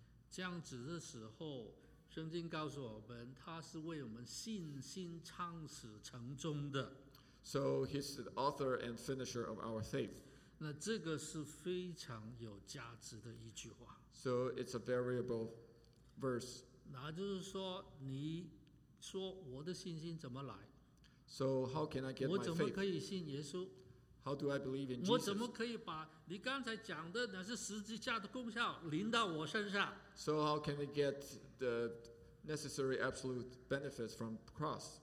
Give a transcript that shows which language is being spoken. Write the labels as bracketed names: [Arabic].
[Chinese] 这样子的时候, 圣经告诉我们，他是为我们信心创始成终的。 [English] So he's the author and finisher of our faith. [Chinese] 那这个是非常有价值的一句话。 [English] So it's a variable verse. [Chinese] 那就是说，你说我的信心怎么来？ [English] So how can I get my faith? [Chinese] 我怎么可以信耶稣？ [English] How do I believe in Jesus? [Chinese] 我怎么可以把你刚才讲的那是十字架的功效临到我身上？ [English] So how can we get the necessary absolute benefits from the cross?